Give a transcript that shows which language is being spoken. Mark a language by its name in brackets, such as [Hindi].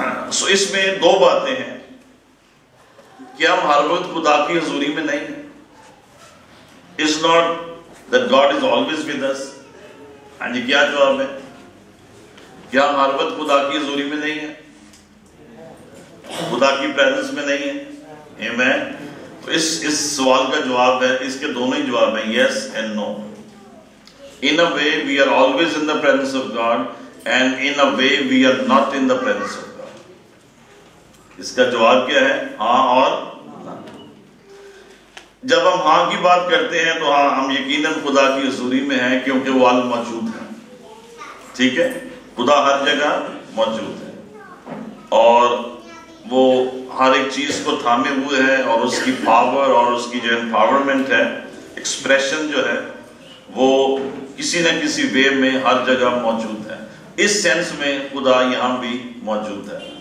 [Urdu] سو اس میں دو باتیں ہیں کہ ہم ہر وقت خدا کی حضوری میں نہیں ہیں [English] It's not that God is always with us. [Urdu] And یہ کیا جواب ہے کیا ہم ہر وقت خدا کی حضوری میں نہیں ہیں خدا کی پریزنس میں نہیں ہیں Amen. تو اس سوال کا جواب ہے اس کے دونوں ہی جواب ہیں [English] Yes and no. In a way we are always in the presence of God and in a way we are not in the presence of God. [Urdu] اس کا جواب کیا ہے ہاں اور جب ہم ہاں کی بات کرتے ہیں تو ہاں ہم یقیناً خدا کی حضوری میں ہیں کیونکہ وہ موجود ہے ٹھیک ہے خدا ہر جگہ موجود ہے اور وہ ہر ایک چیز کو تھامے ہوئے ہے اور اس کی پاور اور اس کی جو انپاورمنٹ ہے ایکسپریشن جو ہے وہ کسی نہ کسی وے میں ہر جگہ موجود ہے اس سینس میں خدا یہاں بھی موجود ہے